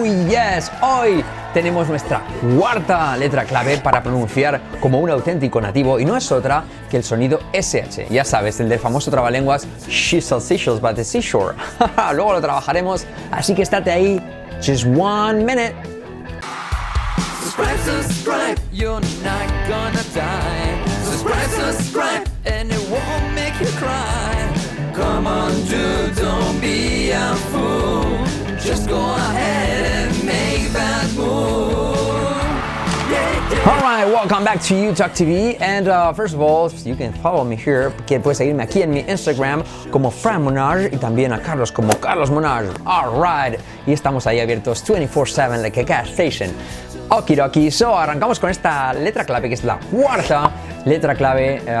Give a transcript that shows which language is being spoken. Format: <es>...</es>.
<es>Yes, hoy tenemos nuestra cuarta letra clave para pronunciar como un auténtico nativo y no es otra que el sonido SH. Ya sabes, el del famoso trabalenguas</es> <en>She's a seashell by the seashore.</en> <es>Luego lo trabajaremos, así que estate ahí.</es> <en>Just one minute. Subscribe, you're not gonna die. Subscribe, and it won't make you cry. Come on, dude, don't be a fool. Just go ahead and make that move. Yeah, yeah. Alright, welcome back to YouTalk TV. And first of all, you can follow me here,</en> <es>que puedes seguirme aquí en mi Instagram como Fran Monar y también a Carlos como Carlos Monar. Alright, y estamos ahí abiertos 24/7</es> <en>like a gas station.</en> <es>Okidoki, so arrancamos con esta letra clave, que es la cuarta letra clave.</es>